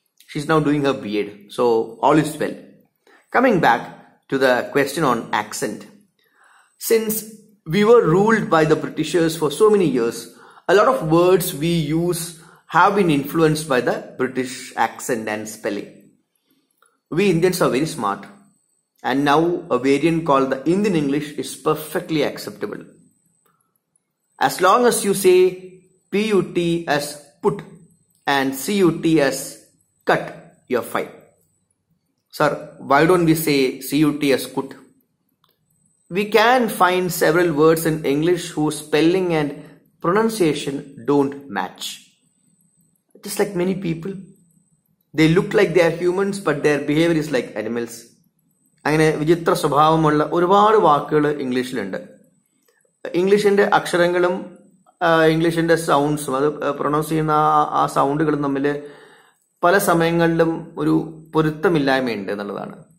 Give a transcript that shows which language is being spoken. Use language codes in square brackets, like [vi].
[en] She is now doing her B Ed. So all is well. Coming back to the question on accent, since we were ruled by the Britishers for so many years, a lot of words we use have been influenced by the British accent and spelling. We Indians are very smart and now a variant called the Indian English is perfectly acceptable. As long as you say P-U-T as put and C-U-T as cut, you're fine. Sir, why don't we say C-U-T as cut? We can find several words in English whose spelling and pronunciation don't match. Just like many people. They look like they are humans but their behavior is like animals. [ml] അങ്ങനെ വിചിത്ര സ്വഭാവമുള്ള ഒരുപാട് വാക്കുകൾ ഇംഗ്ലീഷിലുണ്ട്. ഇംഗ്ലീഷിൻ്റെ അക്ഷരങ്ങളും ഇംഗ്ലീഷിൻ്റെ സൗണ്ട്സും അത് പ്രൊണൗസ് ചെയ്യുന്ന ആ സൗണ്ടുകളും തമ്മിൽ പല സമയങ്ങളിലും ഒരു പൊരുത്തമില്ലായ്മയുണ്ട് എന്നുള്ളതാണ്.